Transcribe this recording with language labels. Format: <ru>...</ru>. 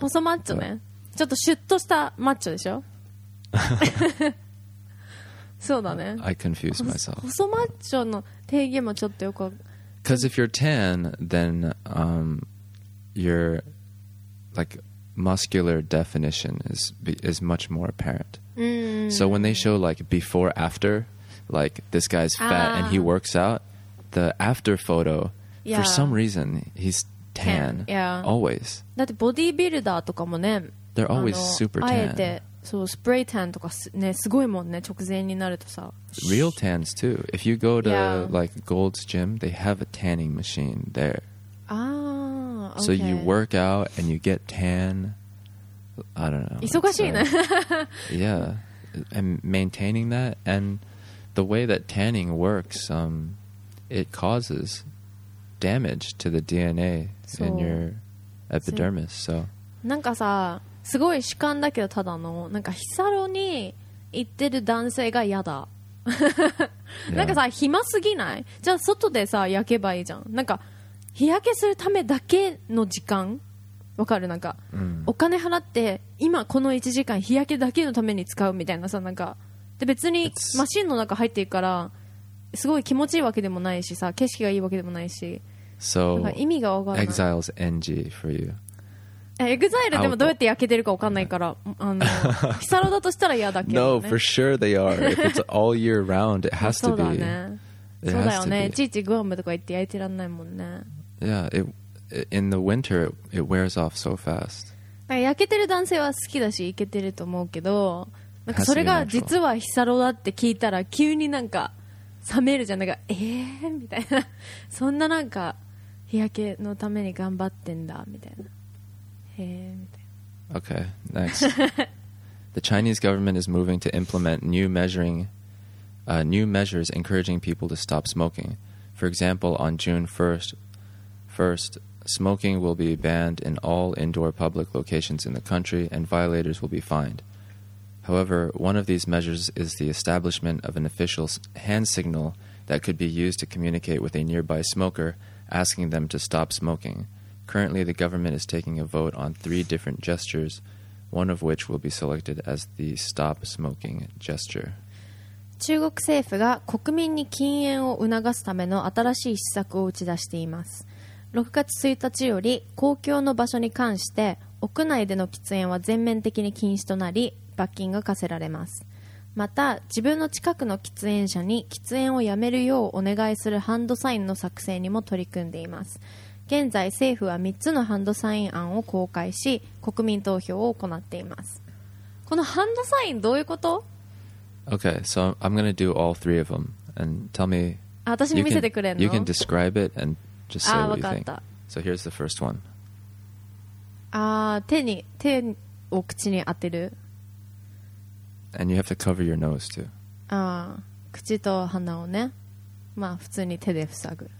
<ja>細マッチョね、ちょっとシュッとしたマッチョでしょそうだね、</ja> <en>I confuse myself.</en> <ja>細マッチョの定義もちょっとよく、</ja> <en>Because if you're tan, then、you're like muscular definition is much more apparent. So when they show like before after, like this guy's fat and he works out, the after photo、yeah. for some reason he's tan, tan. Yeah. Always.</en> <ja>だってボディービルダーとかもね、</ja> <en>They're always super tan.</en> <ja>あえてそうスプレータンとかね、すごいもんね、直前になるとさ。</ja> <en>Real tans too. If you go to、yeah. like Gold's Gym, they have a tanning machine there. Okay. So you work out and you get tan. I don't know.</en> <ja>忙しいね。</ja> <en>Yeah, and maintaining that and the way that tanning works, it causes damage to the DNA in your epidermis. So.</en> <ja>なんかさ、すごい主観だけど、ただのなんかヒサロに行ってる男性が嫌だ。なんかさ、yeah. 暇すぎない？じゃあ外でさ焼けばいいじゃん。なんか。日焼けするためだけの時間わかる、なんか、うん、お金払って今この1時間日焼けだけのために使うみたいなさ、なんかで別にマシンの中入っていくからすごい気持ちいいわけでもないしさ、景色がいいわけでもないし、</ja> <en>so,</en> <ja>なんか意味がわからない。</ja> <en>Exile's NG for you.</en> <ja>Exile でもどうやって焼けてるかわかんないから、あのヒサロだとしたら嫌だけどね。</ja> <en>No, for sure they are. If it's all year round, it has to be.</en> <ja>そうだね、そうだよね、いちいちグアムとか行って焼いてらんないもんね。</ja> <en>Yeah, in the winter it wears off so fast.</en> <ja>焼けてる男性は好きだし、イケてると思うけど、なんかそれが実はヒサロだって聞いたら急になんか冷めるじゃん。なんかみたいな、そんななんか日焼けのために頑張ってんだみたいな。へえみたいな。</ja> <en>Okay, next. The Chinese government is moving to implement new measures encouraging people to stop smoking. For example, on June 1st, smoking will be banned in all indoor public locations in the country and violators will be fined. However, one of these measures is the establishment of an official hand signal that could be used to communicate with a nearby smoker, asking them to stop smoking. Currently, the government is taking a vote on 3 different gestures, one of which will be selected as the stop smoking gesture.</en> <ja>中国政府が国民に禁煙を促すための新しい施策を打ち出しています。 6月1日より公共の場所に関して屋内での喫煙は全面的に禁止となり、罰金が科せられます。また自分の近くの喫煙者に喫煙をやめるようお願いするハンドサインの作成にも取り組んでいます。現在政府は3つのハンドサイン案を公開し、国民投票を行っています。このハンドサインどういうこと？</ja> <en>Okay, so I'm gonna do all three of them and tell me.</en> <ja>私に見せてくれんの？</ja> <en>You can describe it andJust say what you think. So here's the first one.</en> <ja>Ah, 手を口に当てる。</ja> <en>And you have to cover your nose too.</en> <ja>Ah, 口と鼻をね、まあ普通に手で塞ぐ。</ja>